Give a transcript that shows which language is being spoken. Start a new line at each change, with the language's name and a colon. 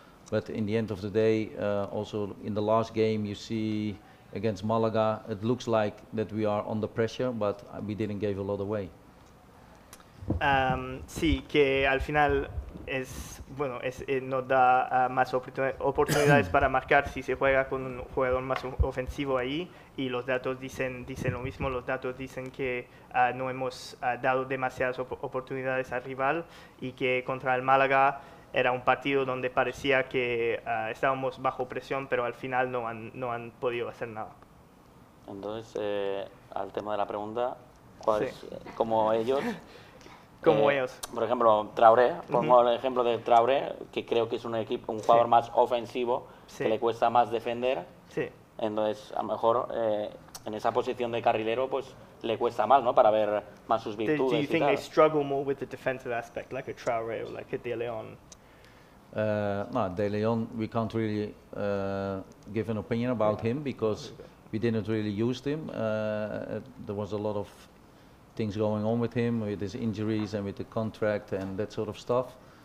English: But in the end of the day, also in the last game you see against Malaga, it looks like that we are under pressure, but we didn't give a lot away.
Spanish: Sí, que al final es bueno, nos da más oportunidades para marcar si se juega con un jugador más ofensivo ahí, y los datos dicen lo mismo. Los datos dicen que no hemos dado demasiadas oportunidades al rival, y que contra el Málaga era un partido donde parecía que estábamos bajo presión, pero al final no han podido hacer nada. Entonces, al tema de la pregunta, ¿cuál es, como ellos? Como ellos. Por ejemplo, Traoré. Pongo el ejemplo de Traoré, que creo que es un jugador más ofensivo, que le cuesta más defender. Sí. Entonces, a lo mejor en esa posición de carrilero, pues le cuesta más, ¿no? Para ver más sus virtudes.
English: Do you think they struggle more with the defensive aspect, like a Traoré or like a De León? No, De León, we can't really give an opinion about him because we didn't really use him. There was a lot of things going on with him, with his injuries and with the contract and that sort of stuff.